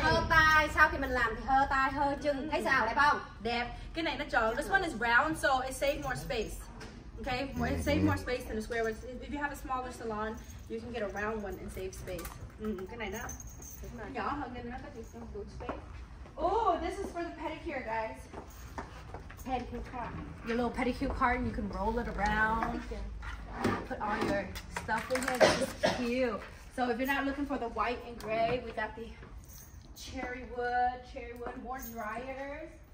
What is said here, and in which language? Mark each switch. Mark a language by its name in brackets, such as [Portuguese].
[Vietnamese] Hơ tai, sau khi mình làm thì hơ tai, hơ chân. Thấy sao đẹp không? Đẹp. Cái này nó tròn. [English] This one is round so it save more space. Okay, it save more space than a square one. If you have a smaller salon, you can get a round one and save space. [Vietnamese] Cái này đó. Nhỏ hơn nên nó có thể [English] save good space. Oh, this is for the pedicure, guys. Pedicure card. Your little pedicure card and you can roll it around. Put all your stuff in here. This is cute. So if you're not looking for the white and gray, we got the cherry wood, more dryers.